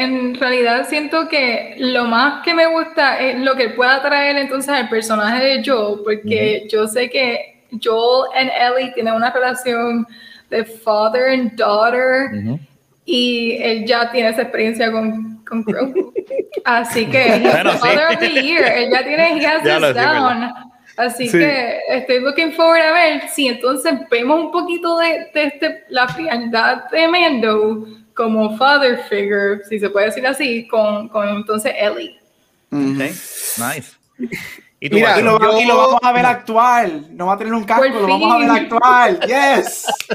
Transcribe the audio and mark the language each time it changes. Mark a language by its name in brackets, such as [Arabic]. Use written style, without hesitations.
[Spanish] En realidad, siento que lo más que me gusta es lo que pueda traer entonces al personaje de Joel. Porque yo sé que Joel and Ellie tienen una relación de [English] father and daughter, [Spanish] y él ya tiene esa experiencia con Crow. Así que, [English] father of the year, [Spanish] él ya tiene, [English] he has this down. [Spanish] Así que, estoy [English] looking forward [Spanish] a ver si entonces vemos un poquito de la frialdad de Mando como [English] father figure, [Spanish] si se puede decir así, con entonces Ellie. [English] Okay. Nice. [Spanish] Mira, y lo vamos a ver actual. No va a tener un casco, lo vamos a ver actual. [English] Yes.